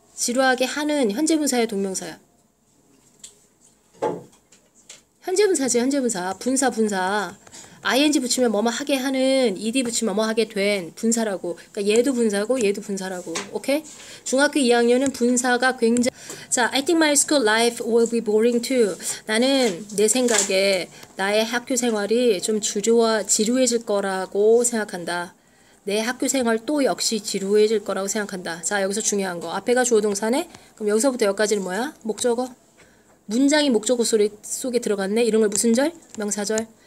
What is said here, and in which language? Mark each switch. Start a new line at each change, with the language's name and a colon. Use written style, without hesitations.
Korean: 지루하게 하는 현재분사의 동명사야. 현재분사지. 현재분사. 분사 분사. ing 붙이면 뭐뭐 하게 하는, ed 붙이면 뭐뭐 하게 된 분사라고. 그러니까 얘도 분사고 얘도 분사라고. 오케이? 중학교 2학년은 분사가 굉장히.
English: 자, I think my school life will be boring too.
Korean: 나는 내 생각에 나의 학교 생활이 좀 지루해질 거라고 생각한다. 내 학교 생활 또 역시 지루해질 거라고 생각한다. 자, 여기서 중요한 거. 앞에가 주어 동사네? 그럼 여기서부터 여기까지는 뭐야? 목적어? 문장이 목적어 속에 들어갔네? 이런 걸 무슨 절? 명사절.